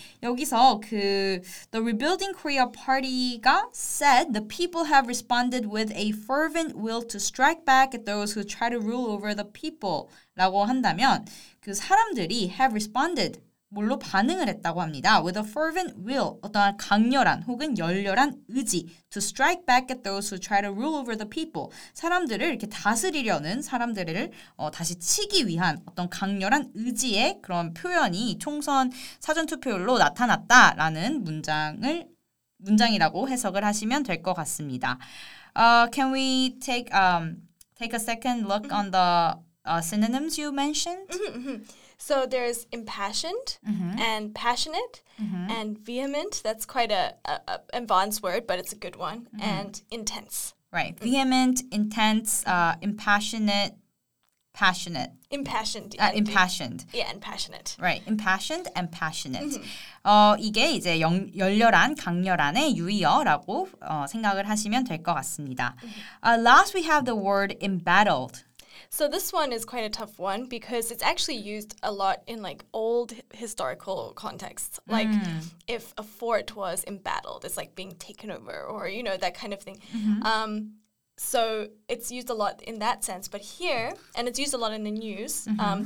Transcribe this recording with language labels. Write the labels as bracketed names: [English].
[English] 여기서 그 The Rebuilding Korea Party가 said the people have responded with a fervent will to strike back at those who try to rule over the people [Korean] 라고 한다면 그 사람들이 [English] have responded [Korean] 뭘로 반응을 했다고 합니다. [English] With a fervent will, [Korean] 어떤 강렬한 혹은 열렬한 의지 [English] to strike back at those who try to rule over the people. [Korean] 사람들을 이렇게 다스리려는 사람들을 다시 치기 위한 어떤 강렬한 의지의 그런 표현이 총선 사전투표율로 나타났다라는 문장이라고 해석을 하시면 될 것 같습니다. [English] Can we take take a second look mm-hmm. on the synonyms you mentioned. Mm-hmm, mm-hmm. So there's impassioned mm-hmm. and passionate mm-hmm. and vehement. That's quite a advanced word, but it's a good one. Mm-hmm. And intense. Right. Mm-hmm. Vehement, intense, impassionate. Passionate. Impassioned. Impassioned. Yeah, and passionate. Right. Impassioned and passionate. Mm-hmm. [Korean] 이게 이제 열렬한, 강렬한의 유의어라고 생각을 하시면 될 것 같습니다. [English] Mm-hmm. Last, we have the word embattled. So this one is quite a tough one because it's actually used a lot in like old historical contexts. Like if a fort was embattled, it's like being taken over or, you know, that kind of thing. Mm-hmm. So it's used a lot in that sense, but here, and it's used a lot in the news mm-hmm.